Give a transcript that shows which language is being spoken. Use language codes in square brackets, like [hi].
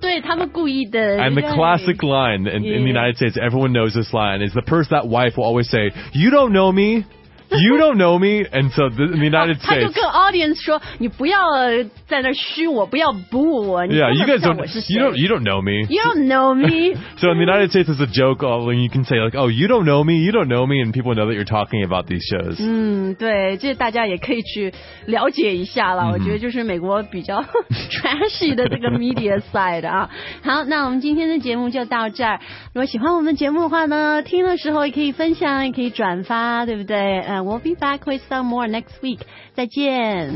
[zh] 对他们故意的 [en] and the classic line in the United States everyone knows this line is the person that wife will always say you don't know me You don't know me, and so in the United States, [zh] 他就跟 audience 说，你不要在那虚我，不要 boo 我。 [en] Yeah, you guys don't know me. You don't know me. So in the United States, it's a joke. When you can say like, oh, you don't know me, you don't know me, and people know that you're talking about these shows. [zh] 对，这大家也可以去了解一下了。我觉得就是美国比较 trashy 的这个 media side 啊。好，那我们今天的节目就到这儿。如果喜欢我们节目的话呢，听的时候也可以分享，也可以转发，对不对？ [en] We'll be back with some more next week. [zh] 再见。